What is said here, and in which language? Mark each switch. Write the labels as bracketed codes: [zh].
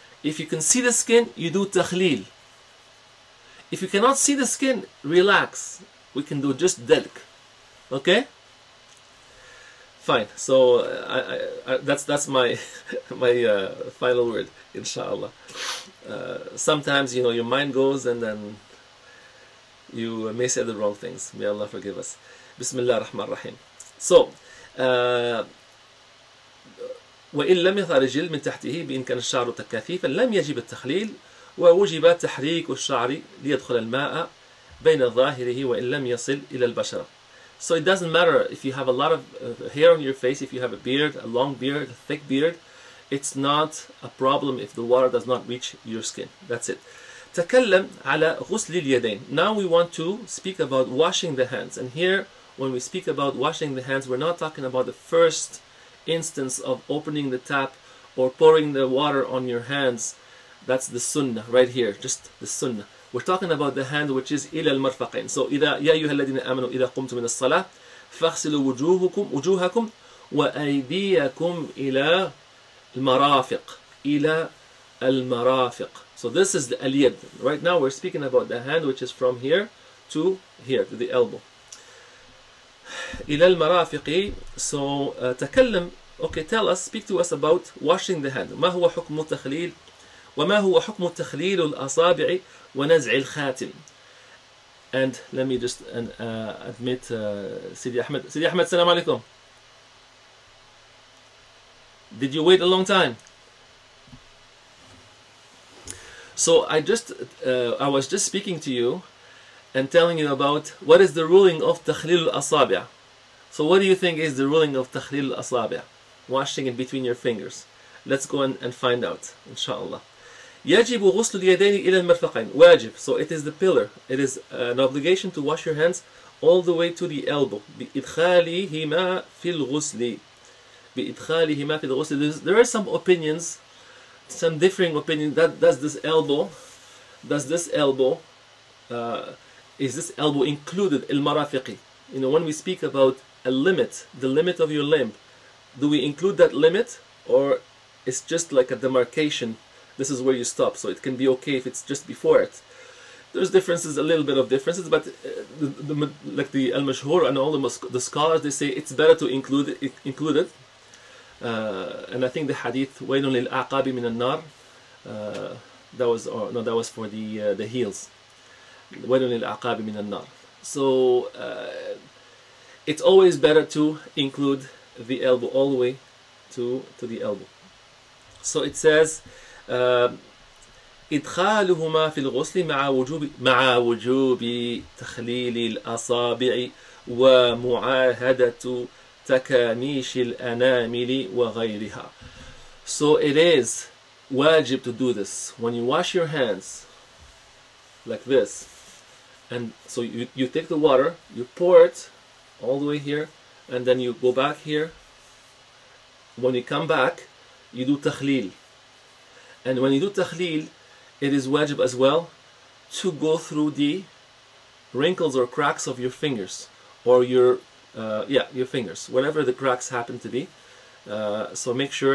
[en] If you can see the skin, you do takhlil. If you cannot see the skin, relax. We can do just dalk. Okay? Fine. So that's my final word, inshallah. Sometimes, you know, your mind goes and then you may say the wrong things. May Allah forgive us. Bismillah ar-Rahman ar-Rahim. [ar] So, وَإِن لَمْ يَظْهَرِ الْجِلْدُ مِنْ تَحْتِهِ بِإِنْ كَانَ الشَّعْرُ تَكَاثِيفًا لَمْ يَجِبَ التَّخْلِيلُ ووجب تحريك الشعر ليدخل الماء بين ظاهره وإن لم يصل إلى البشرة. [en] So it doesn't matter if you have a lot of hair on your face, if you have a beard, a long beard, a thick beard, it's not a problem if the water does not reach your skin. That's it. [ar] تكلم على غسل اليدين. [en] Now we want to speak about washing the hands. And here, when we speak about washing the hands, we're not talking about the first instance of opening the tap or pouring the water on your hands. That's the sunnah right here, just the sunnah. We're talking about the hand which is [ar] إِلَى الْمَرْفَقِينَ. [en] So [ar] إِذَا يَا أَيُّهَا الَّذِينَ آمَنُوا إِذَا قُمْتُمْ مِنَ الصَّلَاةِ فَاغْسِلُوا وُجُوهَكُمْ وَأَيْدِيَكُمْ إِلَى الْمَرَافِقِ. إِلَى الْمَرَافِقِ. [en] So this is the اليد. Right now we're speaking about the hand which is from here to here, to the elbow. [ar] إِلَى الْمَرَافِقِ. So تَكَلَّمْ. [en] Okay, tell us, speak to us about washing the hand. [ar] مَا هُوَ حُكْمُ التَّخْلِيلِ وَمَا هُوَ حُكْمُ تَخْلِيلُ الْأَصَابِعِ وَنَزْعِ الْخَاتِمِ. [en] And let me just admit Sidi Ahmed. Sidi Ahmed, salam alaikum. Did you wait a long time? So I was just speaking to you and telling you about what is the ruling of تَخْلِيلُ الْأَصَابِعِ. So what do you think is the ruling of تَخْلِيلُ الْأَصَابِعِ? Washing it between your fingers. Let's go and find out, inshallah. [ar] يجب غسل اليدين إلى المرفقين. [en] واجب. So it is the pillar. It is an obligation to wash your hands all the way to the elbow. [ar] بإدخالهما في الغسل. بإدخالهما في الغسل. [en] There are some opinions, some differing opinions. That does this elbow? Does this elbow? Is this elbow included المرافقي? You know, when we speak about a limit, the limit of your limb, do we include that limit, or it's just like a demarcation? This is where you stop, so it can be okay if it's just before it. There's differences, a little bit of differences, but like the Al-Mashhur and all the scholars, they say it's better to include it. And I think the hadith, [ar] وَيْلٌ لِلْأَعْقَابِ مِنَ النَّارِ, [en] that was for the heels. [ar] وَيْلٌ لِلْأَعْقَابِ مِنَ النَّارِ. [en] So it's always better to include the elbow all the way to the elbow. So it says, [ar] إدخالهما في الغسل مع وجوب تخليل الأصابع ومعاهدة تكاميش الأنامل وغيرها. [en] So it is wajib to do this. When you wash your hands like this, and so you take the water, you pour it all the way here, and then you go back here. When you come back, you do takhlil. And when you do takhlil, it is wajib as well to go through the wrinkles or cracks of your fingers, or your fingers, whatever the cracks happen to be. So make sure.